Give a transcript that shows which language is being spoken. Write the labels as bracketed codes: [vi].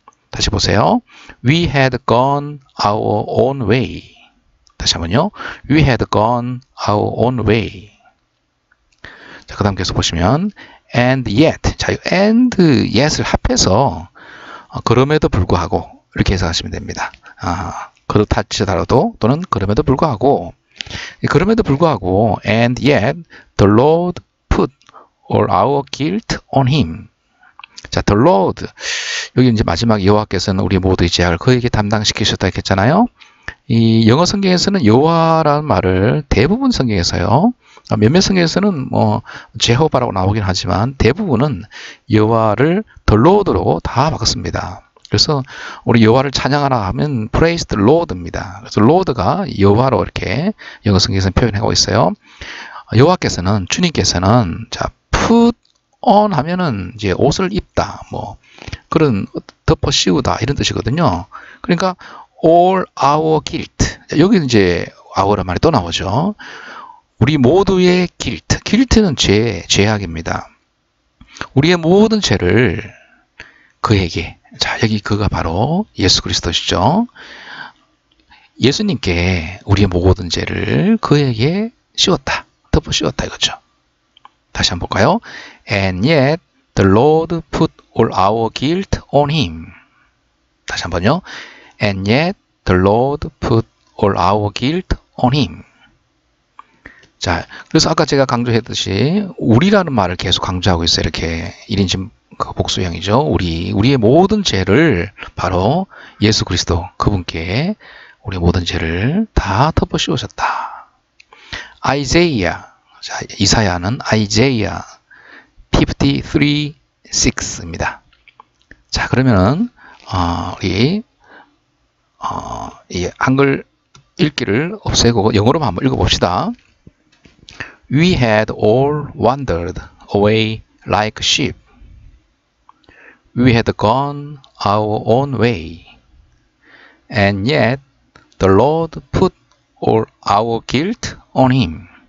[ko] 다시 보세요. [en] We had gone our own way. [ko] 다시 한번요. [en] We had gone our own way. [ko] 자, 그 다음 계속 보시면, [en] and yet. [ko] 자, and yet을 합해서, 그럼에도 불구하고, 이렇게 해석하시면 됩니다. 그렇다치더라도, 또는 그럼에도 불구하고, [en] 그럼에도 불구하고, and yet the Lord put all our guilt on him. 자, the Lord. [ko] 여기 이제 마지막 여호와께서는 우리 모두의 죄악을 그에게 담당시키셨다 했잖아요. 이 영어 성경에서는 여호와라는 말을 대부분 성경에서요. 몇몇 성경에서는 뭐 제호바라고 나오긴 하지만 대부분은 여호와를 [en] the Lord [ko] 로 다 바꿨습니다. 그래서 우리 여호와를 찬양하라 하면 [en] praise the Lord [ko] 입니다. 그래서 Lord가 여호와로 이렇게 영어 성경에서는 표현하고 있어요. 여호와께서는 주님께서는 자 [en] put on [ko] 하면은 이제 옷을 입다 뭐 그런 덮어씌우다 이런 뜻이거든요. 그러니까 [en] all our guilt [ko] 여기 이제 our란 말이 또 나오죠. 우리 모두의 guilt. guilt는 죄, 죄악입니다. 우리의 모든 죄를 그에게. 자, 여기 그가 바로 예수 그리스도시죠. 예수님께 우리의 모든 죄를 그에게 씌웠다. 덮어씌웠다 이거죠. 다시 한번 볼까요? [en] And yet the Lord put all our guilt on him. [ko] 다시 한번요. [en] And yet the Lord put all our guilt on him. [ko] 자, 그래서 아까 제가 강조했듯이, 우리라는 말을 계속 강조하고 있어요. 이렇게. 1인칭 복수형이죠. 우리의 모든 죄를 바로 예수 그리스도, 그분께 우리의 모든 죄를 다 덮어씌우셨다. [en] Isaiah. [ko] 자, 이사야는 Isaiah 53, 6입니다. 자, 그러면은, 우리, 이 한글 읽기를 없애고 영어로만 한번 읽어봅시다. [en] We had all wandered away like sheep. We had gone our own way, and yet the Lord put all our guilt on him.